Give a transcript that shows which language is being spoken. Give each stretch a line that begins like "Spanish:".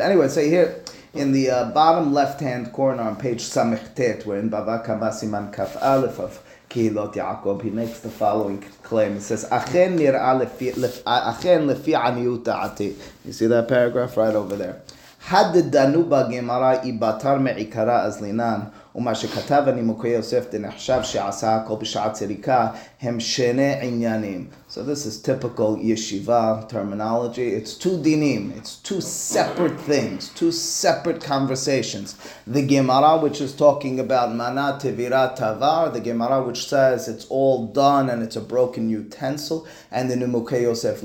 English: Anyway, so here in the bottom left-hand corner on page Samechtet, we're in Bava Kama Siman Kaf Aleph of Kehilot Yaakov, he makes the following claim. He says,
Hebrew: Achen nir'a achen lefi aniyut da'ati.
English: You see that paragraph right over there.
Hebrew: Had the Danuba Gemara ibatar me'ikara azlinan, ומה שכתב אני מוקי יוסף דנחשב שעשה הכל בשעה צריקה, הם שני עניינים.
English: So this is typical yeshiva terminology. It's two dinim. It's two separate things. Two separate conversations. The Gemara, which is talking about mana tevira tavar, the Gemara, which says it's all done and it's a broken utensil, and the Nimukei Yosef.